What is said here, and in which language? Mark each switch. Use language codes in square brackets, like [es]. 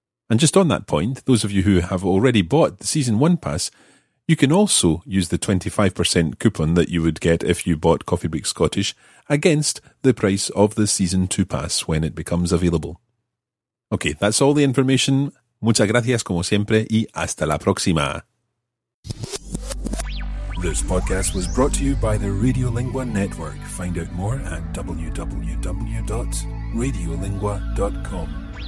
[en] And just on that point, those of you who have already bought the Season 1 pass, you can also use the 25% coupon that you would get if you bought Coffee Break Scottish against the price of the Season 2 pass when it becomes available. Okay, that's all the information. [es] Muchas gracias como siempre y hasta la próxima. [en] This podcast was brought to you by the Radiolingua Network. Find out more at www.radiolingua.com.